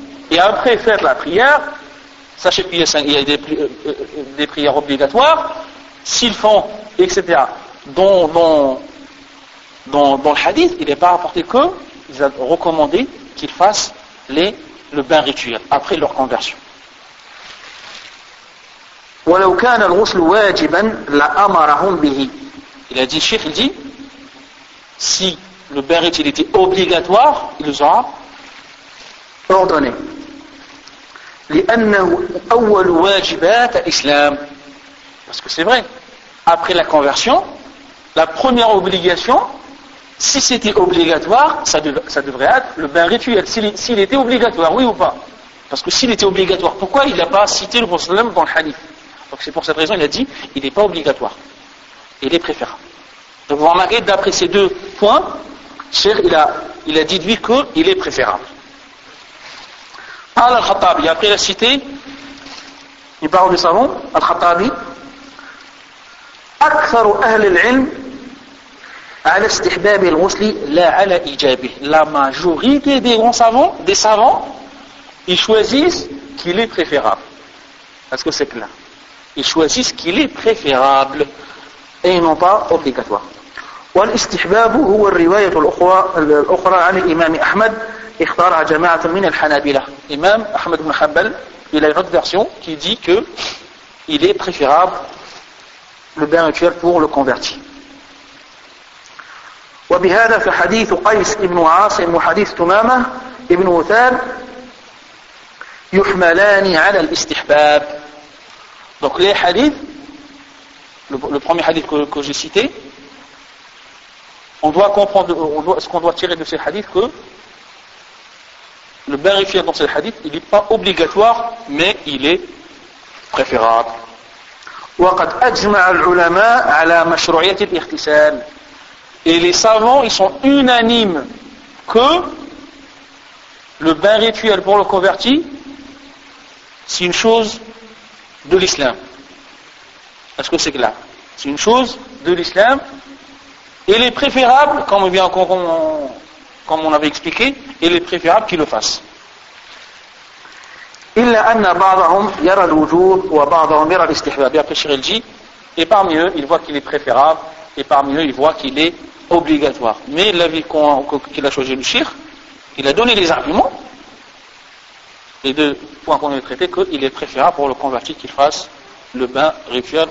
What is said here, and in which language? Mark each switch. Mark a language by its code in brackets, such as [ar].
[fr] Et après faites la prière, sachez qu'il y a des prières obligatoires, s'ils font, etc. Dans le hadith, il n'est pas rapporté qu'ils ont recommandé qu'ils fassent le bain rituel après leur conversion. [ar] ولو كان الغسل واجبا لأمرهم به. [fr] Il a dit, Cheikh, il dit, si le bain rituel était obligatoire, il les aura ordonné. [ar] لأنه أول واجبات الإسلام. [fr] Parce que c'est vrai, après la conversion, la première obligation, si c'était obligatoire, ça devrait être le bain rituel. S'il était obligatoire, oui ou pas? Parce que s'il était obligatoire, pourquoi il n'a pas cité le Prophète sallam dans le hadith? Donc c'est pour cette raison qu'il a dit, il n'est pas obligatoire. Il est préférable. Donc vous remarquez, d'après ces deux points, Cheikh, il a dit de lui qu'il est préférable. Al-Khattabi, après il a cité Il parle du savant, Al-Khattabi. [ar] أكثر أهل العلم على استحباب الغسل لا على إيجابه. [fr] La majorité des grands savants, ils choisissent qu'il est préférable. Est-ce que c'est clair? Ils choisissent qu'il est préférable et non pas obligatoire. [ar] والاستحباب هو الرواية الأخرى عن الإمام أحمد اختارها جماعة من الحنابلة. [fr] Imam Ahmed ibn Hanbal, il a une autre version qui dit que il est préférable le bain rituel pour le converti. [ar] وبهذا فحديث قيس ابن عاصم وحديث تمامة ابن وثاب يحملان على الاستحباب. [fr] Donc les hadiths, le premier hadith que j'ai cité, on doit comprendre, ce qu'on doit tirer de ces hadiths, que le bain rituel dans ces hadiths, il n'est pas obligatoire, mais il est préférable. [ar] وقد أجمع العلماء على مشروعية الاغتسال. [fr] Et les savants, ils sont unanimes que le bain rituel pour le converti, c'est une chose de l'islam. Est-ce que c'est clair? C'est une chose de l'islam. Il est préférable, comme on avait expliqué, il est préférable qu'il le fasse. [ar] إلا أن بعضهم يرى الوجوب وبعضهم يرى الاستحباب. [fr] Et parmi eux, il voit qu'il est préférable, et parmi eux, il voit qu'il est obligatoire. Mais l'avis qu'il a choisi le Cheikh, il a donné les arguments, les deux points qu'on a traités, qu'il est préférable pour le converti qu'il fasse le bain rituel.